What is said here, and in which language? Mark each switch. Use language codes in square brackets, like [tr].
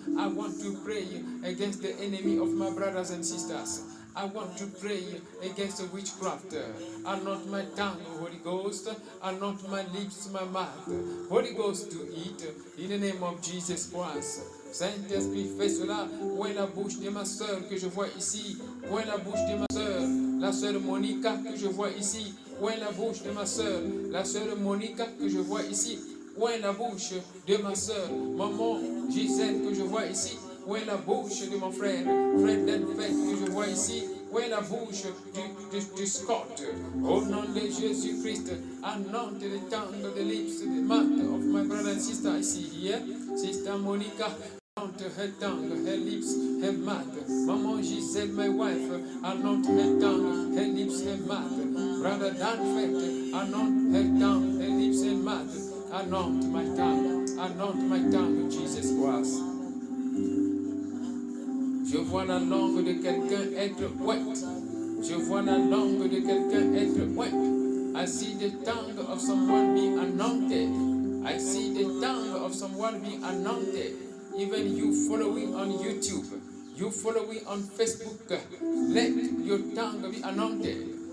[en] I want to pray against the enemy of my brothers and sisters. I want to pray against the witchcraft. Anoint my tongue, Holy Ghost. Anoint my lips, my mouth. Holy Ghost, do it in the name of Jesus Christ. [fr] Saint-Esprit, fais cela. Où est la bouche de ma soeur que je vois ici? Où est la bouche de ma soeur? La soeur Monica que je vois ici. Où est la bouche de ma soeur? La soeur Monica que je vois ici. Où est la bouche de ma soeur? Maman Gisèle que je vois ici. Où est la bouche de mon frère, frère Delphine que je vois ici? Où est la bouche du Scott? Au nom de Jésus-Christ, [en] anoint les tongues, les lips, les mouths of my brother and sister [fr] ici. Yeah? [en] Sister Monica, anoint her tongue, her lips, her mouth. Maman Gisèle, my wife, anoint her tongue, her lips, her mouth. Brother Delphine, anoint her tongue, her lips, her mouth. Anoint my tongue, Jesus Christ. [fr] Je vois la langue de quelqu'un être ouette. Je vois la langue de quelqu'un être ouette. [en] I see the tongue of someone being anointed. I see the tongue of someone being anointed. Even you following on YouTube, you following on Facebook, let your tongue be anointed.